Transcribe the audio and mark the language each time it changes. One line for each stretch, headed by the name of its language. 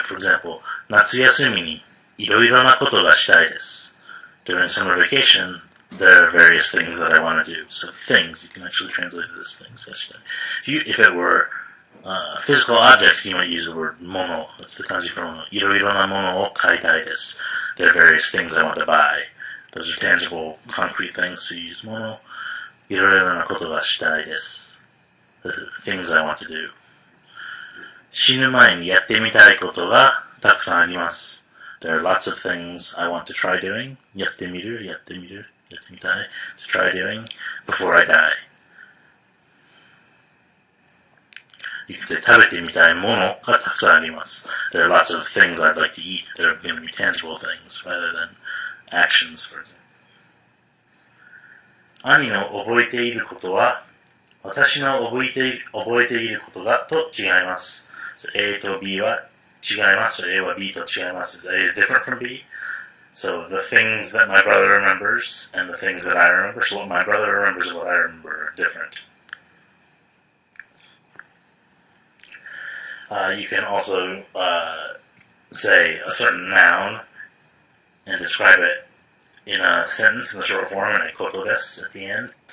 English: For example,
Japanese: 夏休みにいろいろなことがしたいです。
English: During summer vacation, there are various things that I want to do. So things, you can actually translate it as things. If it were physical objects, you might use the word mono. That's the kanji for mono.
Japanese: いろいろなものを買いたいです。
English: There are various things I want to buy. Those are tangible, concrete things, so you use mono.
Japanese: いろいろなことがしたいです。
English: Things I want to do.
Japanese: 死ぬ前にやってみたいことがたくさんあります。
English: There are lots of things I want to try doing.
Japanese: やってみる、やってみる。
English: To try doing before I die. You can say
Japanese: 食べてみたいものがたくさんあります。
English: There are lots of things I'd like to eat. They're going to be tangible things rather than actions, for example.
Japanese: 兄の覚えていることは私の覚えていることがと違います。 So A と B は違います。A は B と違います。
English: Is A different from B? So the things that my brother remembers and the things that I remember, so what my brother remembers and what I remember are different. You can also say a certain noun and describe it in a sentence in the short form and a koto desu at the end.